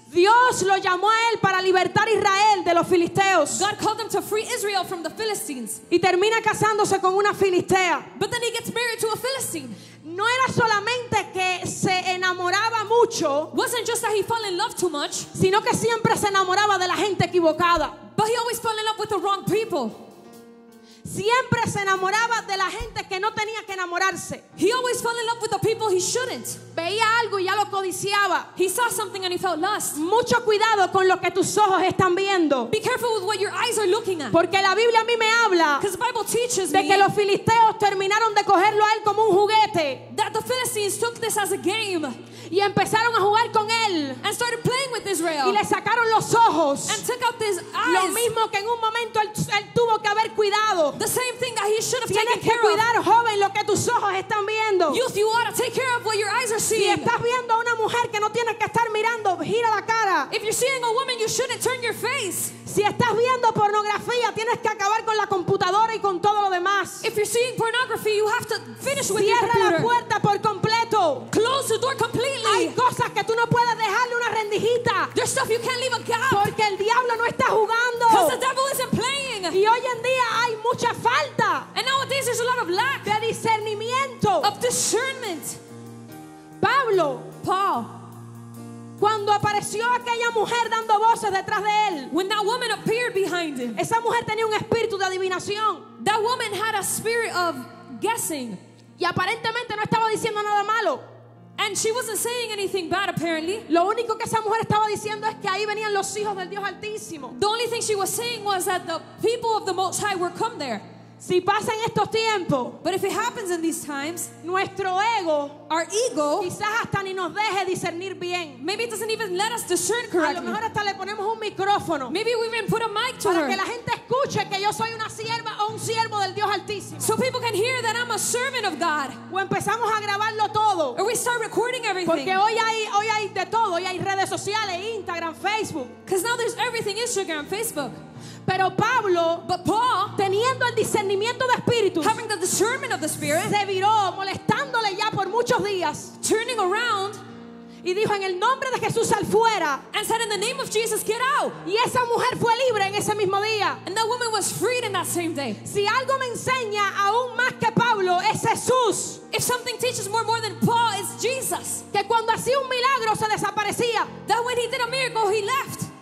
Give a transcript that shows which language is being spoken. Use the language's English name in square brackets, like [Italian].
[Spanish] Dios lo llamó a él para libertar a Israel de los filisteos. [English] God called him to free Israel from the Philistines. [Spanish] Y termina casándose con una filistea. [English] But then he gets married to a Philistine. [Spanish] No era solamente que se enamoraba mucho, [English] wasn't just that he fell in love too much, [Spanish] sino que siempre se enamoraba de la gente equivocada. [English] But he always fell in love with the wrong people. [Spanish] Siempre se enamoraba de la gente que no tenía que enamorarse. [English] He always fell in love with the people he shouldn't. [Spanish] Veía algo y ya lo codiciaba. [English] He saw something and he felt lust. [Spanish] Mucho cuidado con lo que tus ojos están viendo. [English] Be careful with what your eyes are looking at. [Spanish] Porque la Biblia a mí me habla, [English] because the Bible teaches [Spanish] me, de que los filisteos terminaron de cogerlo a él como un juguete, [English] that the Philistines took this as a game, [Spanish] y empezaron a jugar con él, [English] and started playing with Israel, [Spanish] y le sacaron los ojos, [English] and took out his eyes. [Spanish] Lo mismo que en un momento él tuvo que haber cuidado. [English] The same thing that he should have taken care of. [Spanish] Tienes que cuidar, joven, lo que tus ojos están viendo. [English] Youth, you ought to take care of what your eyes are seeing. [Spanish] Si estás viendo a una mujer que no tienes que estar mirando, gira la cara. [English] If you're seeing a woman, you shouldn't turn your face. [Spanish] Si estás viendo pornografía, tienes que acabar con la computadora y con todo lo demás. [English] If you're seeing pornography, you have to finish with [Spanish] cierra [English] your computer. [Spanish] Cierra la puerta por completo. [English] Close the door completely. [Spanish] Hay cosas que tú no puedes dejarle una rendijita. [English] There's stuff you can't leave a gap. [Spanish] Porque el diablo no está jugando. [English] Because the devil isn't playing. [Spanish] Y hoy en día hay mucha falta, [English] and nowadays there's a lot of lack, [Spanish] de discernimiento, [English] of discernment. [Spanish] Pablo, [English] Paul, [Spanish] cuando apareció aquella mujer dando voces detrás de él, [English] when that woman appeared behind him, [Spanish] esa mujer tenía un espíritu de adivinación, [English] that woman had a spirit of guessing, [Spanish] y aparentemente no estaba diciendo nada malo, [English] and she wasn't saying anything bad apparently. [Spanish] Lo único que esa mujer estaba diciendo es que ahí venían los hijos del Dios Altísimo. [English] The only thing she was saying was that the people of the Most High were come there. [Spanish] Si pasa en estos tiempos, [English] but if it happens in these times, [Spanish] nuestro ego, [English] our ego, [Spanish] quizás hasta ni nos deje discernir bien. [English] Maybe it doesn't even let us discern correctly. [Spanish] A lo mejor hasta le ponemos un micrófono. [English] Maybe we even put a mic to [Spanish] para [English] her. [Spanish] Que la gente escuche que yo soy una sierva o un siervo del Dios Altísimo. [English] So people can hear that I'm a servant of God. [Spanish] O empezamos a grabarlo todo. [English] Or we start recording everything. [Spanish] Porque hoy hay de todo. Hoy hay redes sociales, Instagram, Facebook. [English] Because now there's everything, Instagram, Facebook. [Spanish] Pero Pablo, [English] but Paul, [Spanish] teniendo el discernimiento de espíritu, [English] having the discernment of the spirit, [Spanish] se viró molestándole ya por muchos días, [English] turning around, [Spanish] y dijo en el nombre de Jesús sal fuera, [English] and said in the name of Jesus get out. [Spanish] Y esa mujer fue libre en ese mismo día, [English] and that woman was freed in that same day. [Spanish] Si algo me enseña aún más que Pablo es Jesús. [English] If something teaches more than Paul, it's Jesus. [Spanish] Que cuando hacía un milagro se desaparecía. [English] That when he did a miracle he left.